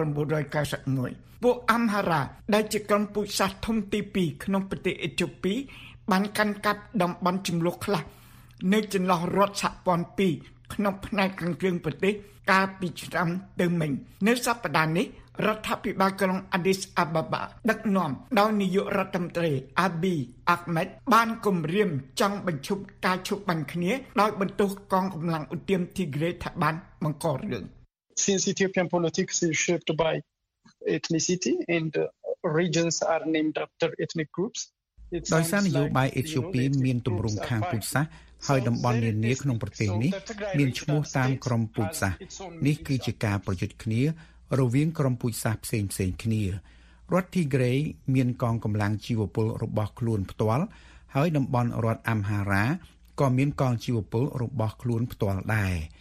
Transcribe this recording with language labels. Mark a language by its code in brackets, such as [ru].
[km] 1991ពួកអំហារ៉ាដែលជាក្រុមពូជសាសន៍ធំទី2ក្នុងប្រទេសអេត្យូពីបានកាន់កាប់តំបន់ចំនួនខ្លះនៅចន្លោះរដ្ឋសហព័ន្ធ2ក្នុងផ្នែកខាងជើងប្រទេសកាលពីឆ្នាំទៅមិញនៅសប្តាហ៍នេះរដ្ឋាភិបាលក្រុងអាឌីសអាបាបាដឹកនាំដោយនាយករដ្ឋមន្ត្រីអាប៊ីអាហ្មេតបានគម្រាមចង់បញ្ឈប់ការឈប់បាញ់គ្នាដោយបន្ទោសកងកម្លាំងឧទ្ទាមទីក្រេថាបានបង្ករឿង [en] Sensitivity politics is shaped by ethnicity and regions are named after ethnic groups [km] ដោយសារនយោបាយអេត្យូពីមានទម្រង់ខាងពូជសាសន៍ហើយតំបន់នានាក្នុងប្រទេសនេះមានឈ្មោះតាមក្រុមពូជសាសន៍នេះគឺជាការប្រយុទ្ធគ្នារវាងក្រុមពូជសាសន៍ផ្សេងៗគ្នារដ្ឋទីក្រេមានកងកម្លាំងជីវពលរបស់ខ្លួនផ្ទាល់ហើយតំបន់រដ្ឋអាំហារ៉ាក៏មានកងជីវពលរបស់ខ្លួនផ្ទាល់ដែរ